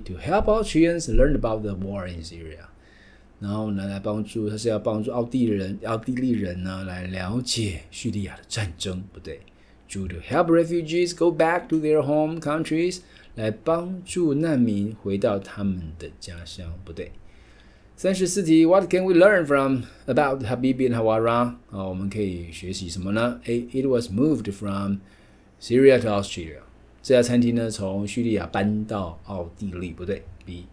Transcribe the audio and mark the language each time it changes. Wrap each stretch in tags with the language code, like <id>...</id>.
<en>To help Austrians learn about the war in Syria.</en> <zh>然后呢来帮助他是要帮助奥地利人呢来了解叙利亚的战争不对。 D.</zh> <en>To help refugees go back to their home countries.</en> <zh>来帮助难民回到他们的家乡不对。</zh> <en>34题 What can we learn from about Habibi and Hawara?</en> <zh>好我们可以学习什么呢 A.</zh> <en>It was moved from Syria to Austria.</en> <zh>这家餐厅呢从叙利亚搬到奥地利不对 B.</zh>